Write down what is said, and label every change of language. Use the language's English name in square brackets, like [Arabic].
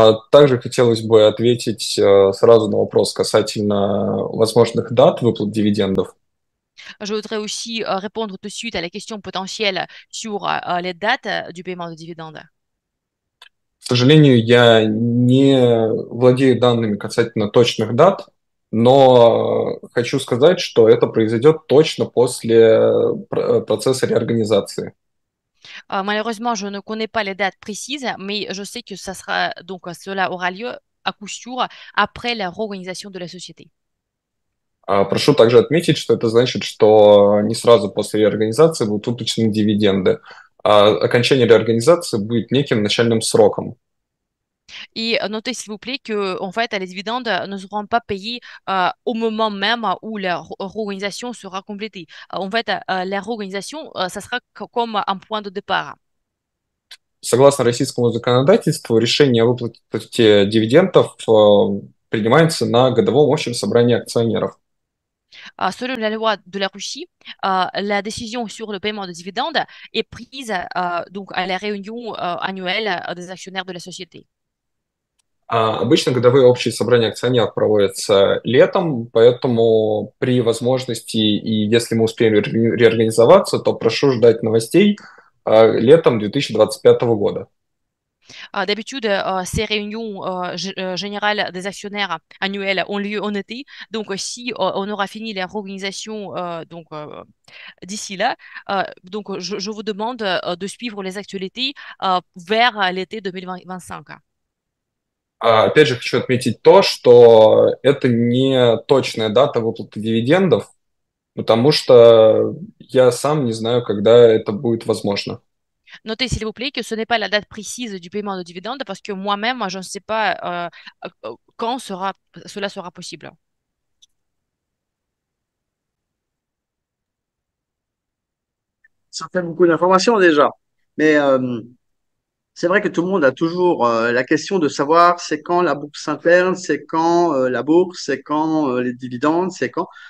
[Russian] Также хотелось бы ответить сразу на вопрос касательно возможных дат выплат дивидендов. [French] Je voudrais aussi répondre tout de suite à la question potentielle sur les dates du paiement de dividendes. [Russian] К сожалению, я не владею данными касательно точных дат, но хочу сказать, что это произойдет точно после процесса реорганизации. [French] Malheureusement, je ne connais pas les dates précises, mais je sais que ça sera donc cela aura lieu à coup sûr après la réorganisation de la société. [Russian] Прошу также отметить, что это значит, что не сразу после реорганизации будут выплачены дивиденды. Окончание реорганизации будет неким начальным сроком. [French] Et notez, s'il vous plaît, que en fait, les dividendes ne seront pas payés au moment même où la réorganisation sera complétée. En fait, la réorganisation, ça sera comme un point de départ. [Russian] Согласно российскому законодательству, решение о выплате дивидендов принимается на годовом общем собрании акционеров. [French] Selon la loi de la Russie, la décision sur le paiement de dividendes est prise donc à la réunion annuelle des actionnaires de la société. [Russian] Обычно годовые общие собрания акционеров проводятся летом, поэтому при возможности и если мы успеем реорганизоваться, то прошу ждать новостей летом 2025 года. [French] D'habitude, ces réunions générales des actionnaires annuelles ont lieu en été. Donc, si on aura fini la réorganisation d'ici là, donc je vous demande de suivre les actualités vers l'été 2025. [Russian] Опять же, хочу отметить то, что это не точная дата выплаты дивидендов, потому что я сам не знаю, когда это будет возможно. [French] Notez, s'il vous plaît, que ce n'est пas la date précise du paiement de dividendes parce que moi-même, je ne sais pas quand cela sera possible. Ça fait beaucoup d'informations déjà, mais c'est vrai que tout le monde a toujours la question de savoir c'est quand la bourse interne, c'est quand la bourse, c'est quand les dividendes, c'est quand.